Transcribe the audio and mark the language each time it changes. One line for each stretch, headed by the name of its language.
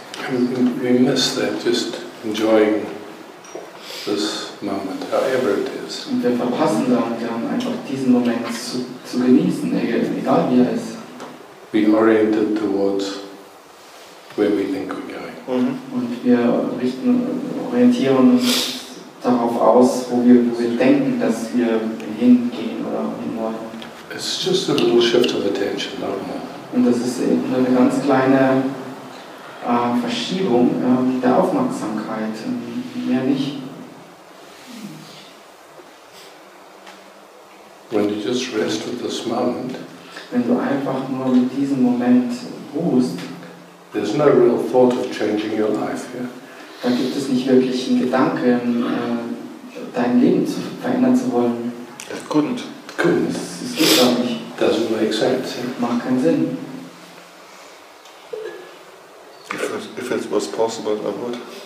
English: We miss that, just enjoying this moment, however it is.
German: Und wir verpassen dann einfach diesen Moment zu genießen, egal wie er ist.
English: We oriented towards where we think we're going.
German: Und wir orientieren uns darauf aus, wo wir denken, dass wir hingehen oder hinwollen.
English: It's just a little shift of attention, not more.
German: Und das ist eben eine ganz kleine Verschiebung der Aufmerksamkeit, mehr nicht.
English: When you just rest with this moment,
German: wenn du einfach nur mit diesem Moment ruhst,
English: there's no real thought of changing your life here.
German: Da gibt es nicht wirklich einen Gedanken, dein Leben zu verändern zu wollen.
English: Das couldn't.
German: Es geht gar nicht.
English: Doesn't make sense.
German: Macht keinen Sinn.
English: If it was possible, I would.